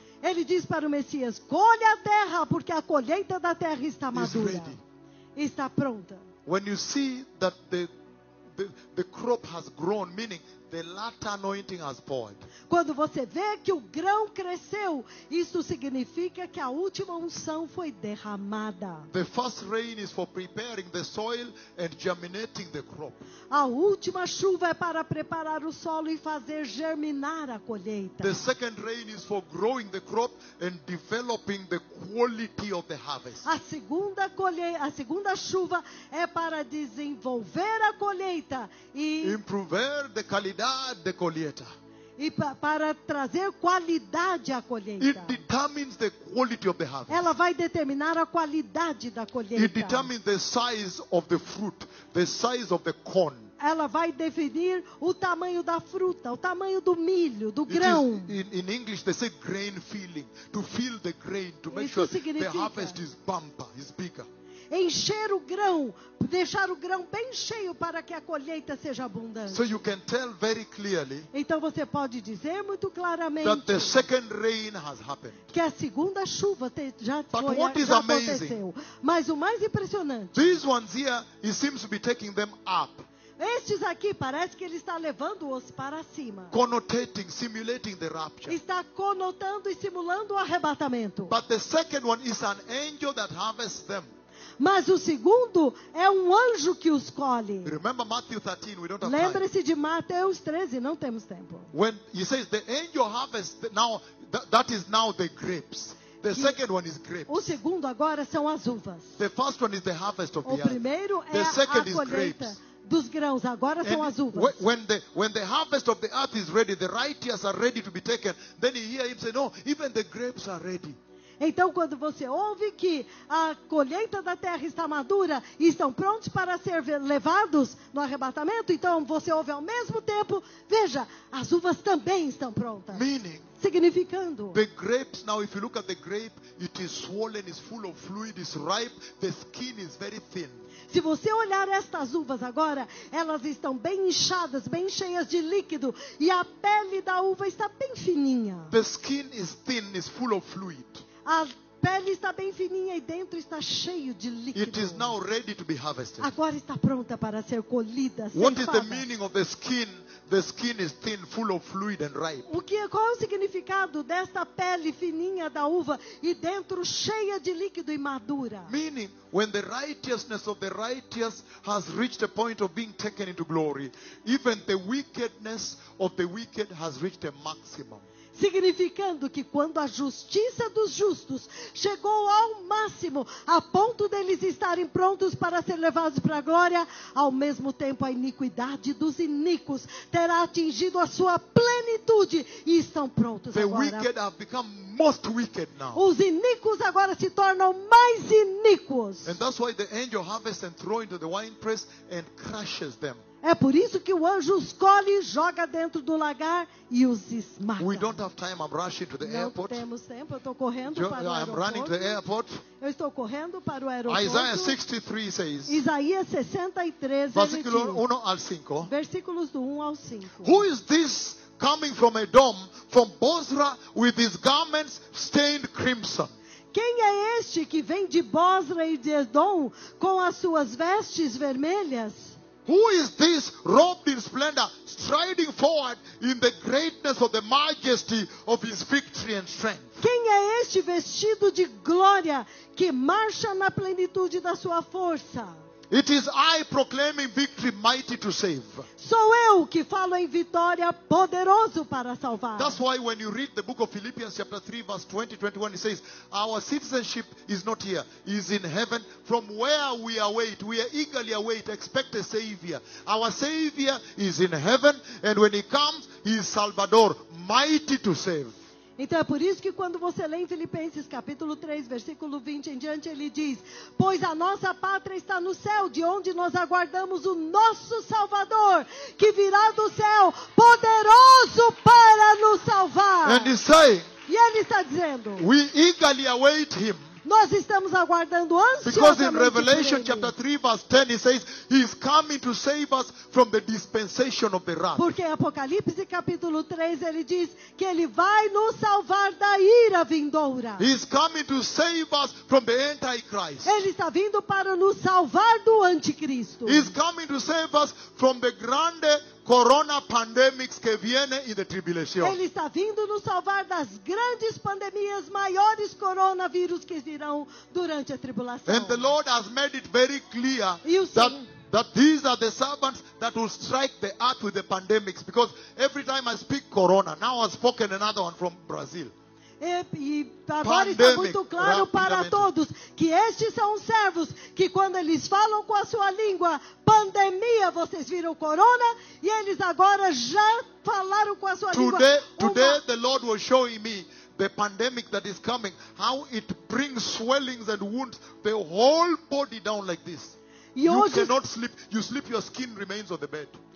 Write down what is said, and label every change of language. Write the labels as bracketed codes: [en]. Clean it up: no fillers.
[pt] Ele diz para o Messias, colhe a terra porque a colheita da terra está madura. Está pronta. [en] When you see that the crop has grown, meaning the latter anointing has poured. [pt] Quando você vê que o grão cresceu, isso significa que a última unção foi derramada. [en] The first rain is for preparing the soil and germinating the crop. [pt] A última chuva é para preparar o solo e fazer germinar a colheita. [en] The second rain is for growing the crop and developing the quality of the harvest. [pt] A segunda chuva é para desenvolver a colheita e [en] improver the quality. [pt] De colheita. E para trazer qualidade à colheita. [en] It determines the quality of the harvest. [pt] Ela vai determinar a qualidade da colheita. [en] It determines the size of the fruit, the size of the corn. [pt] Ela vai definir o tamanho da fruta, o tamanho do milho, do grão. [en] In English they say grain filling, to fill the grain, to make [pt] isso [en] sure [pt] significa [en] the harvest is bumper, is bigger. [pt] Encher o grão, deixar o grão bem cheio para que a colheita seja abundante. [en] So you can tell very clearly, [pt] então você pode dizer muito claramente [en] that the second rain has happened. [pt] Que a segunda chuva já foi, já aconteceu. [en] Amazing, [pt] mas o mais impressionante, [en] these ones here, it seems to be taking them up. [pt] Estes aqui parece que ele está levando-os para cima. [en] Connotating, simulating the rapture. [pt] Está conotando e simulando o arrebatamento. [en] But the second one is an angel that harvests them. [pt] Mas o segundo é um anjo que os colhe. [en] Remember Matthew 13, we don't have [pt] Lembre-se De Mateus 13, não temos tempo. [en] When he says the angel harvests now, that is now the grapes. The second one is grapes. [pt] O segundo agora são as uvas. [en] The first one is the harvest of [pt] o primeiro [en] the [pt] é a colheita dos grãos, agora [en] and [pt] são as uvas. [en] When the harvest of the earth is ready, the righteous are ready to be taken. Then you hear him say, no, even the grapes are ready. [pt] Então, quando você ouve que a colheita da terra está madura e estão prontos para ser levados no arrebatamento, então você ouve ao mesmo tempo, veja, as uvas também estão prontas. [en] Meaning, [pt] significando. [en] The grapes, now if you look at the grape, it is swollen, it's full of fluid, it's ripe, the skin is very thin. [pt] Se você olhar estas uvas agora, elas estão bem inchadas, bem cheias de líquido e a pele da uva está bem fininha. [en] The skin is thin, it's full of fluid. [pt] A pele está bem fininha e dentro está cheio de líquido. [en] It is now ready to be harvested. [pt] Agora está pronta para ser colhida. [en] What is the meaning of the skin? The skin is thin, full of fluid and ripe. [pt] O que, qual é o significado desta pele fininha da uva e dentro cheia de líquido e madura? [en] Meaning, when the righteousness of the righteous has reached a point of being taken into glory, even the wickedness of the wicked has reached a maximum. [pt] Significando que quando a justiça dos justos chegou ao máximo, a ponto deles estarem prontos para ser levados para a glória, ao mesmo tempo a iniquidade dos iníquos terá atingido a sua plenitude e estão prontos [en] the [pt] agora. [en] Wicked have become most wicked now. [pt] Os iníquos agora se tornam mais iníquos. E por isso o anjo [en] harvests and throws into the winepress and crushes them. [pt] É por isso que o anjo os colhe e joga dentro do lagar e os esmaga. [en] We don't have time. I'm rushing to the [pt] Não [en] airport. [pt] Temos tempo, eu estou correndo para o aeroporto. [en] I'm running to the airport. [pt] Eu estou correndo para o aeroporto. [en] Isaiah 63 says, [pt] Isaías 63 versículo 1 ao 5. Versículos do 1 ao 5. [en] Who is this coming from Edom, from Bozra, with his garments stained crimson. [pt] Quem é este que vem de Bozra e de Edom com as suas vestes vermelhas? [en] Who is this robed in splendor, striding forward in the greatness of the majesty of his victory and strength? [pt] Quem é este vestido de glória que marcha na plenitude da sua força? [en] It is I proclaiming victory, mighty to save. [pt] Sou eu que falo em vitória, poderoso para salvar. [en] That's why when you read the book of Philippians chapter 3 verse 20-21, it says, our citizenship is not here, is in heaven, from where we await, we are eagerly await, expect a savior. Our savior is in heaven, and when he comes, he is Salvador, mighty to save. [pt] Então é por isso que quando você lê em Filipenses capítulo 3, versículo 20 em diante, ele diz: pois a nossa pátria está no céu, de onde nós aguardamos o nosso Salvador, que virá do céu, poderoso para nos salvar. [en] And he's saying, [pt] e ele está dizendo, [en] we eagerly await him. [pt] Nós estamos aguardando ansiosamente. [en] Because in Revelation chapter 3 verse 10 he says he is coming to save us from the dispensation of the wrath. [pt] Porque em Apocalipse capítulo 3 ele diz que ele vai nos salvar da ira vindoura. [en] He is coming to save us from the antichrist. [pt] Ele está vindo para nos salvar do anticristo. [en] He is coming to save us from the [pt] grande [en] corona pandemics [es] que viene [en] in the tribulation. [pt] Ele está vindo nos salvar das grandes pandemias, maiores coronavírus que virão durante a tribulação. [en] And the Lord has made it very clear that these are the servants that will strike the earth with the pandemics, because every time I speak corona, now I've spoken another one from Brazil. [pt] E agora está muito claro para todos que estes são os servos que quando eles falam com a sua língua pandemia, vocês viram corona, e eles agora já falaram com a sua [en] today, [pt] língua. [en] Today the Lord was showing me the pandemic that is coming, how it brings swellings and wounds the whole body down like this. You cannot sleep, you sleep, your skin remains on the bed.